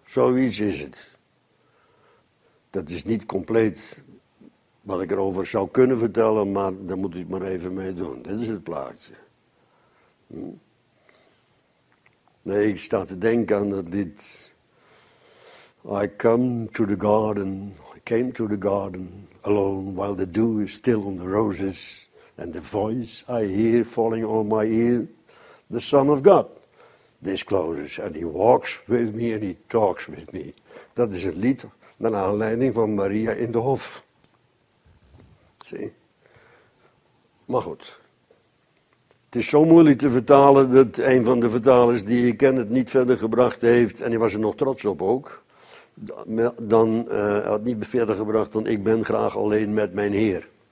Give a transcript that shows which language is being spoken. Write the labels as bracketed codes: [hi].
[nl] Zoiets is het. Dat is niet compleet wat ik erover zou kunnen vertellen, maar daar moet u het maar even mee doen. Dit is het plaatje. Nee, ik sta te denken aan dat lied. [en] I come to the garden, I came to the garden alone, while the dew is still on the roses, and the voice I hear falling on my ear, the Son of God discloses, and he walks with me and he talks with me. [nl] Dat is het lied naar aanleiding van Maria in de hof. See. Maar goed, het is zo moeilijk te vertalen dat een van de vertalers die ik ken het niet verder gebracht heeft, en die was er nog trots op ook, dan had niet verder gebracht dan ik ben graag alleen met mijn Heer.